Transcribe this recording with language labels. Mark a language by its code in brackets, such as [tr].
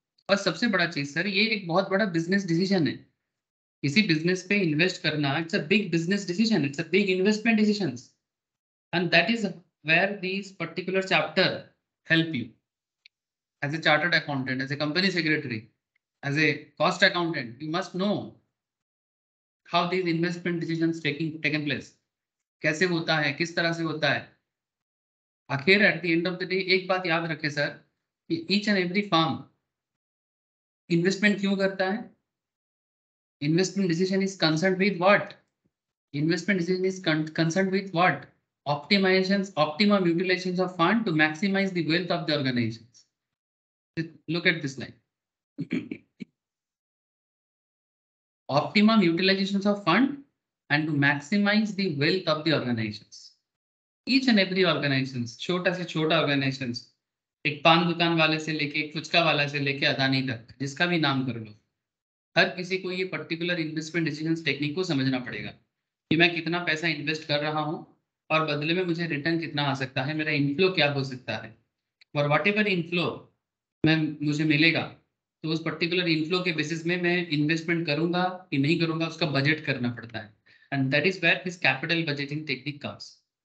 [hi] और सबसे बड़ा चीज़ सर, ये एक बहुत बड़ा बिजनेस डिसीजन है, किसी बिजनेस पे इन्वेस्ट करना, [en] it's a big business decision, it's a big investment decision, and that is where this particular chapter help you as a chartered accountant, as a company secretary, as a cost accountant, you must know how these investment decisions taken place, [hi] kaise hota hai, kis tarah se hota hai. [en] Akhir at the end of the day [hi] ek baat yaad rakhe sir, ki [en] each and every firm investment [hi] kyun karta hai, [en] investment decision is concerned with what, investment decision is concerned with what, optimizations, optimum utilizations of fund to maximize the wealth of the organizations. Look at this line. Optimum utilizations of fund and to maximize the wealth of the organizations. [hi] Each and every organizations, chota se chota organizations, ek paan dukan wale se leke, ek fuchka wale se leke Adani tak, jiska bhi naam kar lo, har kisi ko ye particular investment decisions technique ko samajhna padega, ki main kitna paisa invest kar raha hoon और बदले में मुझे return कितना आ सकता है, मेरा inflow क्या हो सकता है, और वट एवर इनफ्लो मैं मुझे मिलेगा तो उस पर्टिकुलर इनफ्लो के बेसिस में मैं इन्वेस्टमेंट करूंगा कि नहीं करूंगा, उसका बजट करना पड़ता है, [en] And that is where this capital budgeting technique comes.